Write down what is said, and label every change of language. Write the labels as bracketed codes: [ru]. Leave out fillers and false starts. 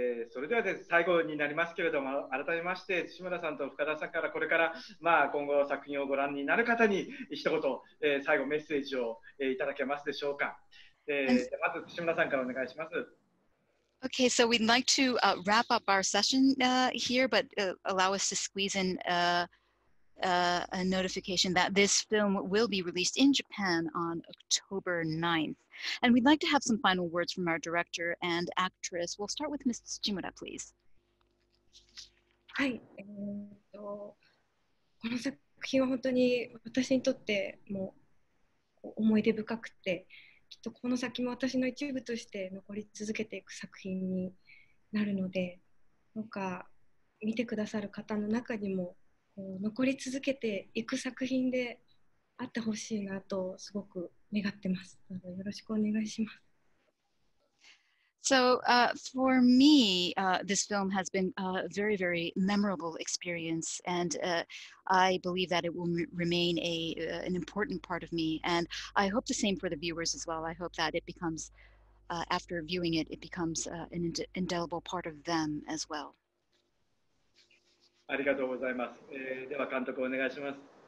[ja] それではですね、最後になりますけれども、改めまして、土村さんと深田さんからこれから、今後作品をご覧になる方に一言、最後メッセージを、いただけますでしょうか。まず土村さんからお願いします。 [en] Okay, so we'd like to wrap up our session here, but allow us to squeeze in a notification that this film will be released in Japan on October 9th. And we'd like to have some final words from our director and actress. We'll start with Ms. Tsuchimura, please. [ja] はい。この作品は本当に私にとってもう思い出深くて、きっとこの先も私の一部として残り続けていく作品になるので、なんか見てくださる方の中にもこう残り続けていく作品であってほしいなとすごく願ってます。よろしくお願いします。 [en] So, for me, this film has been a very, very memorable experience, and I believe that it will remain an important part of me. And I hope the same for the viewers as well. I hope that it becomes, after viewing it, it becomes an indelible part of them as well. [ja] ありがとうございます。では監督お願いします。